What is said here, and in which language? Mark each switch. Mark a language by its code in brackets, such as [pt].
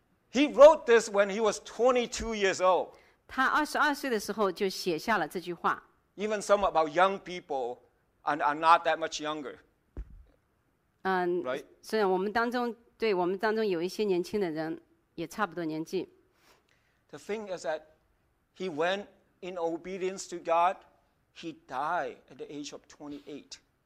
[en] He wrote this when he was 22 years old. [zh] 他22岁的时候就写下了这句话。 [en] Even some about young people and are not that much younger. Right? [zh] 是我们当中有一些年轻的人也差不多年纪。 [en] The thing is that he went in obedience to God, he died at the age of 28.